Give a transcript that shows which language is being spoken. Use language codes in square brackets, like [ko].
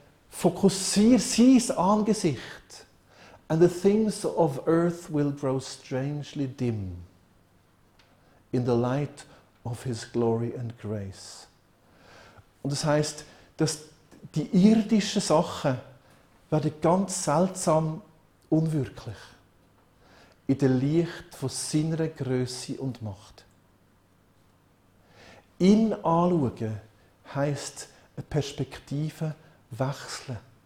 [de] Fokussiere sein Angesicht. [en] And the things of earth will grow strangely dim in the light of his glory and grace. [de] Und das heisst, dass die irdischen Sachen werden ganz seltsam unwirklich in dem Licht von seiner Grösse und Macht. Ihn anschauen heisst eine Perspektive wechseln.